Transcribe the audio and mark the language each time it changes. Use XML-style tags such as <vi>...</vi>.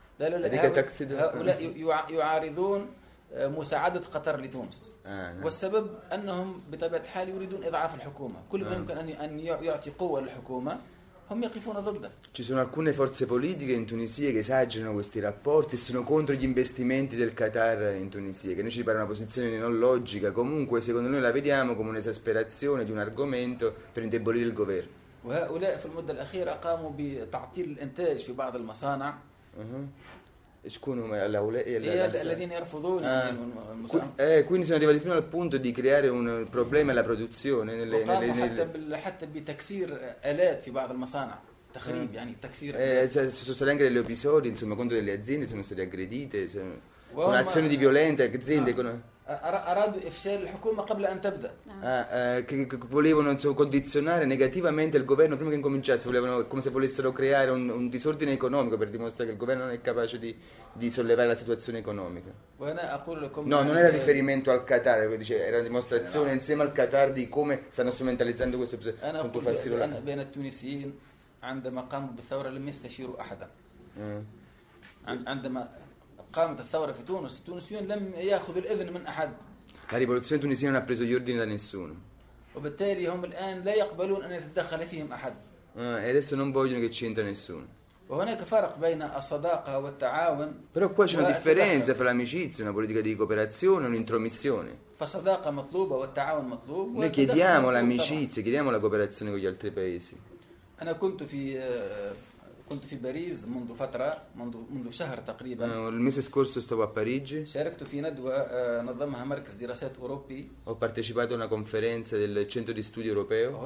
<ar>لا لا لا هؤلاء يعارضون مساعدة قطر لتونس والسبب أنهم بطبيعة الحال يريدون إضعاف الحكومة كل من يمكن أن يعطي قوة للحكومة هم يقفون ضده.</ar> <it>Ci sono alcune forze politiche in Tunisia che esagerano questi rapporti e sono contro gli investimenti del Qatar in Tunisia, che noi ci pare una posizione non logica. Comunque, secondo noi la vediamo come un'esasperazione di un argomento per indebolire il governo.</it> <ar>وهؤلاء في المدة الأخيرة قاموا بتعطيل الإنتاج في بعض المصانع. يكونوا هؤلاء الذين يرفضون</ar> <it>quindi sono arrivati fino al punto di creare un problema alla produzione</it> <ar>حتى بتكسير آلات في بعض المصانع تخريب يعني تكسير</ar> <it>sono stati anche degli episodi insomma contro delle aziende sono state aggredite con azioni di violenza aziende con</it> <ar>أرادوا إفشال الحكومة قبل أن تبدأ.</ar> <it>Volevano condizionare negativamente il governo prima che incominciasse. Volevano come se volessero creare un disordine economico per dimostrare che il governo non è capace di sollevare la situazione economica.</it> <ar>وأنا أقول لكم.</ar> <it>No, non era riferimento al Qatar. Dice era una dimostrazione insieme al Qatar di come stanno strumentalizzando questo.</it> <ar>أنا أقول أن بين التونسيين عندما قاموا بالثورة لم يستشيروا أحدا. عندما قامت الثورة في تونس التونسيون لم يأخذوا الإذن من أحد.</ar> <it>La rivoluzione tunisina non ha preso gli ordini da nessuno.</it> <ar>وبالتالي هم الآن لا يقبلون أن يتدخل فيهم أحد.</ar> <it>E adesso non vogliono che ci entra nessuno.</it> <ar>وهناك فرق بين الصداقة والتعاون.</ar> <it>Però qua c'è una differenza fra l'amicizia, una politica di cooperazione, un'intromissione.</it> <ar>فالصداقة مطلوبة والتعاون مطلوب.</ar> <it>Noi chiediamo l'amicizia, chiediamo la cooperazione con gli altri paesi.</it> <ar>أنا كنت في كنت في باريس منذ فترة منذ شهر تقريبا. الميس سكورسو استوى في باريس. شاركت في ندوة نظمها مركز دراسات أوروبي.</ar> <it>Ho partecipato a una conferenza del centro di studi europeo.</it>